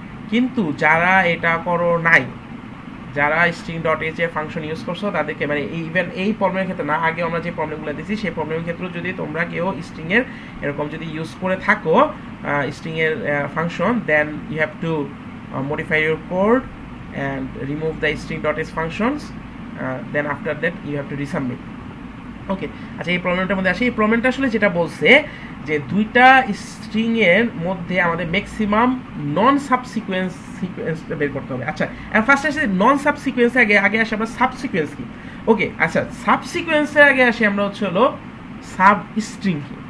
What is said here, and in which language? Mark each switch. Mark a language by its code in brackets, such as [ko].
[bn] কিন্তু যারা এটা করো নাই, যারা স্ট্রিং ডট এইচ এর ফাংশন ইউজ করছো, তাদেরকে মানে ইভেন এই প্রবলেমের ক্ষেত্রে না, আগে আমরা যে প্রবলেমগুলো দিয়েছি সেই প্রবলেমের ক্ষেত্রেও যদি তোমরা কেউ স্ট্রিংয়ের এরকম যদি ইউজ করে থাকো স্ট্রিংয়ের function, [en] Then you have to modify your code and remove the string.h functions, then after that you have to resubmit. [bn] ওকে আচ্ছা, এই প্রবলেমটার মধ্যে আসি। এই প্রবলেমটা আসলে যেটা বলছে যে দুইটা স্ট্রিং এর মধ্যে আমাদের ম্যাক্সিমাম নন সাবসিকোয়েন্স সিকোয়েন্স বের করতে হবে। আচ্ছা, এখন ফার্স্টে আসি নন সাবসিকোয়েন্স, আগে আগে আসি আমরা সাবসিকোয়েন্স কি। ওকে আচ্ছা, সাবসিকোয়েন্সের আগে আসি আমরা হচ্ছে হলো সাব স্ট্রিং কি।